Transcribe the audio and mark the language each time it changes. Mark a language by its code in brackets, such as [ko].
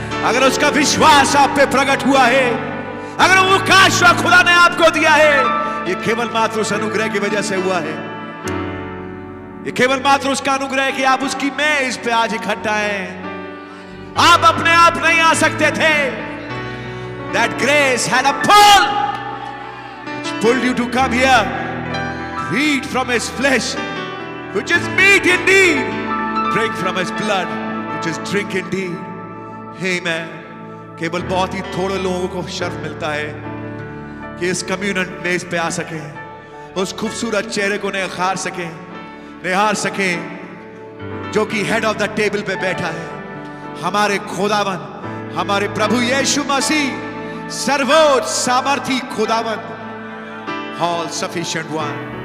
[hi] अगर उसका विश्वास आप पे प्रकट हुआ है, अगर वो काश खुदा ने आपको दिया है, ये केवल मात्र उस अनुग्रह की वजह से हुआ है। ये केवल मात्र उसका अनुग्रह कि आप उसकी मेज पे आज इकट्ठा हैं। आप अपने आप नहीं आ सकते थे। [en] That grace had a pull, which pulled you to come here, feed from his flesh, which is meat indeed, drink from his blood, which is drink indeed. Amen. [hi] केवल बहुत ही थोड़े लोगों को शर्फ मिलता है कि इस कम्युनल मेज पे आ सके, उस खूबसूरत चेहरे को निहार सके, निहार सके जो कि [en] head of the table [hi] पे बैठा है, हमारे खुदावन, हमारे प्रभु यीशु मसीह, सर्वोच्च सामर्थी खुदावन, [en] All sufficient one.